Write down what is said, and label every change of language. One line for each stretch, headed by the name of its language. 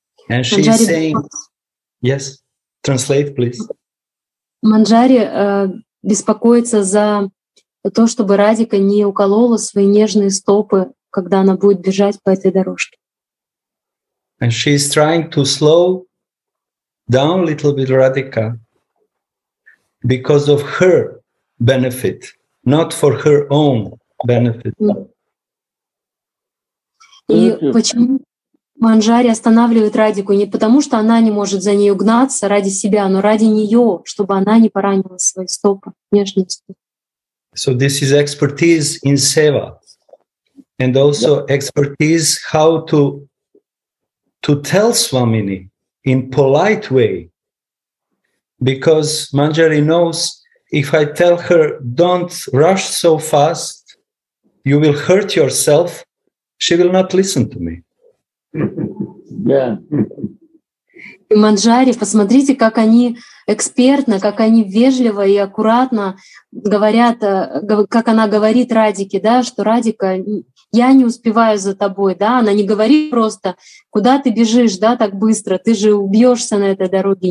English: And she is saying, yes, translate, please.
Russian: Манджари беспокоится за то, чтобы Радика не уколола свои нежные стопы, когда она будет бежать по этой дорожке.
English: And she is trying to slow down a little bit Radhika because of her benefit, not for her own benefit.
Russian: И почему Манджари останавливает Радику? Не потому, что она не может за ней гнаться ради себя, но ради нее, чтобы она не поранила свои стопы, внешние стопы.
English: So this is expertise in seva, and also expertise how to tell Swamini in polite way, because Manjari knows if I tell her don't rush so fast, you will hurt yourself, she will not listen to me. Yeah.
Russian: И Манджари, посмотрите, как они экспертно, как они вежливо и аккуратно говорят, как она говорит Радике, да, что Радика, я не успеваю за тобой, да, она не говорит просто, куда ты бежишь, да, так быстро, ты же убьешься на этой дороге.